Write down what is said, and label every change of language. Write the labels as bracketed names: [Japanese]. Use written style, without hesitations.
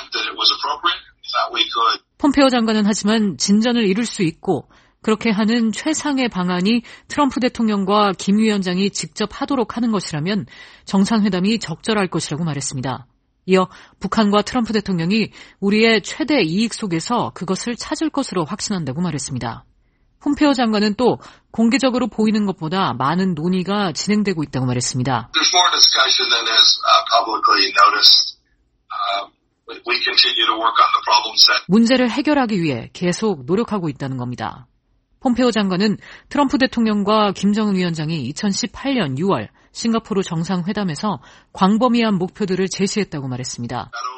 [English] Now it's July. I think that's unlikely, but in the event that it was appropriate, we could. [Korean] 폼페오 장관은 하지만 진전을 이룰 수 있고 그렇게 하는 최상의 방안이 트럼프 대통령과 김 위원장이 직접 하도록 하는 것이라면 정상회담이 적절할 것이라고 말했습니다. 이어 북한과 트럼프 대통령이 우리의 최대 이익 속에서 그것을 찾을 것으로 확신한다고 말했습니다. 폼페오 장관은 또 공개적으로 보이는 것보다 많은 논의가 진행되고 있다고 말했습니다. [English] There's more discussion than is publicly noticed. We continue to work on the problem set. [Korean] 문제를 해결하기 위해 계속 노력하고 있다는 겁니다. 폼페오 장관은 트럼프 대통령과 김정은 위원장이 2018년 6월 싱가포르 정상회담에서 광범위한 목표들을 제시했다고 말했습니다.